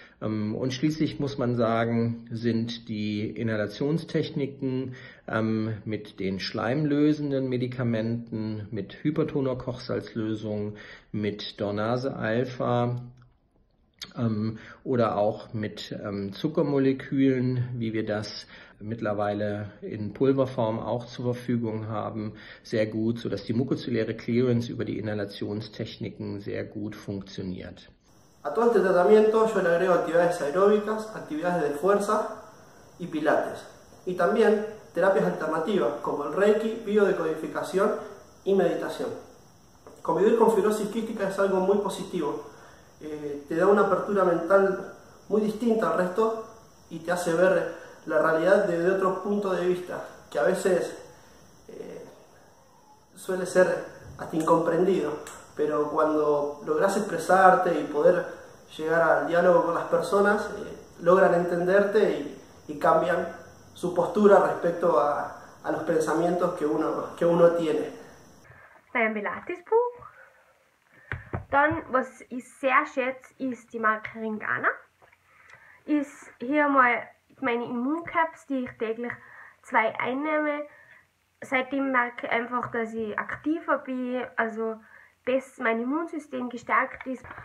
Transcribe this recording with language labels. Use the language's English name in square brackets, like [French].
[German] Und schließlich muss man sagen, sind die Inhalationstechniken mit den schleimlösenden Medikamenten, mit Hypertoner-Kochsalzlösung, mit Dornase-Alpha Oder auch mit Zuckermolekülen, wie wir das mittlerweile in Pulverform auch zur Verfügung haben, sehr gut, sodass die mukozeläre Clearance über die Inhalationstechniken sehr gut funktioniert. [Spanish] A todo este tratamiento yo le agrego actividades aeróbicas, actividades de fuerza y pilates. Y también terapias alternativas como el Reiki, biodecodificación y meditación. Convivir con fibrosis quística es algo muy positivo. Te da una apertura mental muy distinta al resto y te hace ver la realidad desde otro punto de vista, que a veces suele ser hasta incomprendido. Pero cuando logras expresarte y poder llegar al diálogo con las personas, logran entenderte y cambian su postura respecto a los pensamientos que uno tiene. [German] Beim Pilates-Buch. Dann, was ich sehr schätze, ist die Marke Ringana. Ist hier mal meine Immuncaps, die ich täglich 2 einnehme. Seitdem merke ich einfach, dass ich aktiver bin, also dass mein Immunsystem gestärkt ist.